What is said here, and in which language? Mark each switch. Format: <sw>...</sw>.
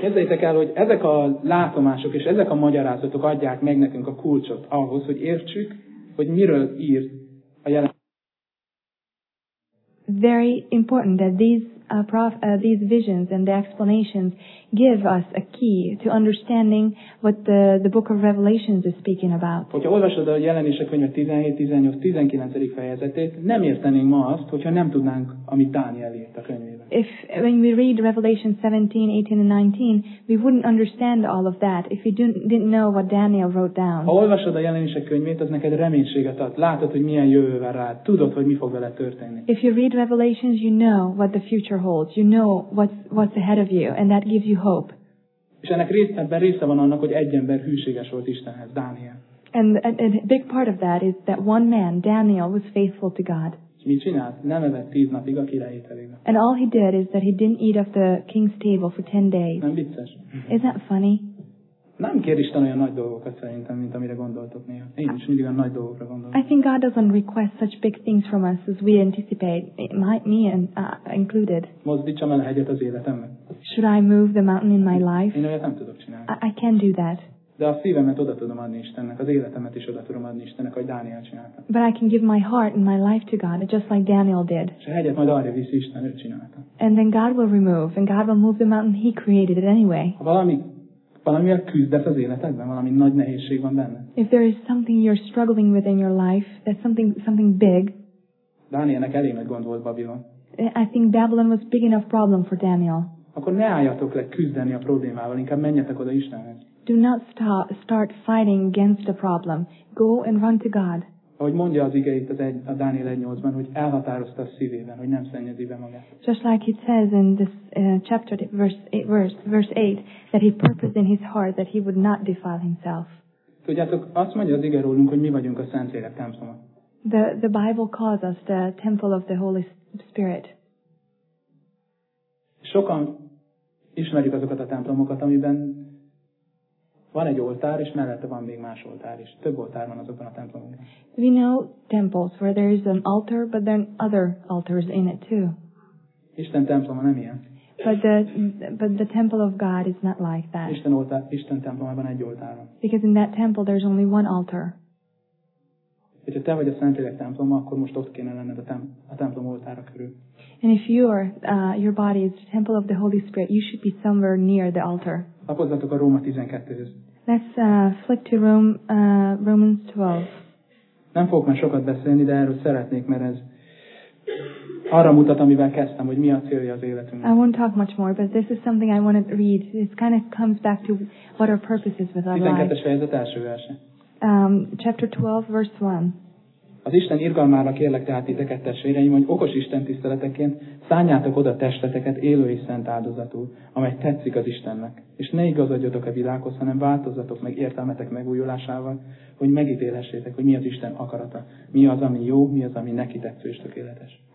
<hu>Képzeljétek el, hogy ezek a látomások és ezek a magyarázatok adják meg nekünk a kulcsot ahhoz, hogy értsük, hogy miről ír a jelen.</hu> <en>Very important that these visions and the explanations give us a key to understanding what the book of Revelations is speaking about.</en> <hu>Hogyha olvasod a jelenések könyve 17, 18, 19. fejezetét, nem értenénk ma azt, hogyha nem tudnánk, amit Dániel írt a könyvében.</hu> <en>If when we read Revelation 17, 18 and 19, we wouldn't understand all of that if we didn't know what Daniel wrote down.</en> <hu>Ha olvasod a jelenések könyvét, az neked reménységet ad. Látod, hogy milyen jövő vár rád. Tudod, hogy mi fog vele történni.</hu> <en>If you read Revelations, you know what the future holds. You know what's ahead of you, and that gives you hope.</en> <hu>És ennek részben része van annak, hogy egy ember hűséges volt Istenhez, Dániel.</hu> <en>And a big part of that is that one man, Daniel, was faithful to God.</en> <hu>Mit csinált? Nem evett 10 napig a király ételébe.</hu> <en>And all he did is that he didn't eat off the king's table for 10 days.</en> <hu>Nem vicces.</hu> <en>Is that funny?</en> <hu>Nem kér Isten olyan nagy dolgokat szerintem, mint amire gondoltok néha. Én is mindig olyan nagy dolgokra gondolok.</hu> <en>I think God doesn't request such big things from us as we anticipate, me included.</en> <hu>Mozdítsam el a hegyet az életemben.</hu> <en>Should I move the mountain in my life?</en> <hu>Én olyat nem tudok csinálni.</hu> <en>I can do that.</en> <hu>De a szívemet oda tudom adni Istennek, az életemet is oda tudom adni Istennek, ahogy Dániel csinálta.</hu> <en>But I can give my heart and my life to God, just like Daniel did.</en> <hu>És a hegyet majd arra viszi Isten, ő csinálta.</hu> <en>And then God will remove, and God will move the mountain he created it anyway.</en> <hu>Ha valamivel küzdesz az életedben, valami nagy nehézség van benne.</hu> <en>If there is something you're struggling with in your life, that's something big.</en> <hu>Dánielnek elég nagy gond volt Babilon.</hu> <en>I think Babylon was big enough problem for Daniel.</en> <hu>Akkor ne álljatok le küzdeni a problémával, inkább menjetek oda Istenhez.</hu> <en>Do not start fighting against the problem. Go and run to God.</en> <hu>Ahogy mondja az ige itt a Dániel 1:8-ban, hogy elhatározta a szívében, hogy nem szennyezi be magát.</hu> <en>Just like it says in this chapter, verse 8, that he purposed in his heart that he would not defile himself.</en> <hu>Tudjátok, azt mondja az ige rólunk, hogy mi vagyunk a Szentlélek temploma.</hu> <en>The Bible calls us the temple of the Holy Spirit.</en> <hu>Sokan ismerik azokat a templomokat, amiben van egy oltár, és mellette van még más oltár is. Több oltár van azokban a templomokban.</hu> <en>We know temples where there is an altar, but then other altars in it too.</en> <hu>Isten temploma nem ilyen.</hu> <en>But the temple of God is not like that.</en> <hu>Isten templomában egy oltár van.</hu> <en>Because in that temple there's only one altar.</en> <hu>Hogyha te vagy a Szentlélek temploma, akkor most ott kéne lenned a templom oltára körül.</hu> <en>And if your body is the temple of the Holy Spirit, you should be somewhere near the altar.</en> <hu>Lapozzatok a Róma 12-hez.</hu> <en>Let's flick to Romans 12.</en> <hu>Nem fogok már sokat beszélni, de erről szeretnék, mert ez arra mutat, amivel kezdtem, hogy mi a célja az életünk.</hu> <en>I won't talk much more, but this is something I want to read. It kind of comes back to what our purpose is with our life.</en> <hu>12. fejezet első verse.</hu> <en>Chapter 12, verse 1.</en> <hu>Az Isten irgalmára kérlek tehát titeket, testvéreim, hogy okos Isten tiszteleteként szánjátok oda testeteket élő és szent áldozatul, amely tetszik az Istennek. És ne igazodjatok a világhoz, hanem változzatok meg értelmetek megújulásával, hogy megítélhessétek, hogy mi az Isten akarata, mi az, ami jó, mi az, ami neki tetsző és tökéletes.</hu>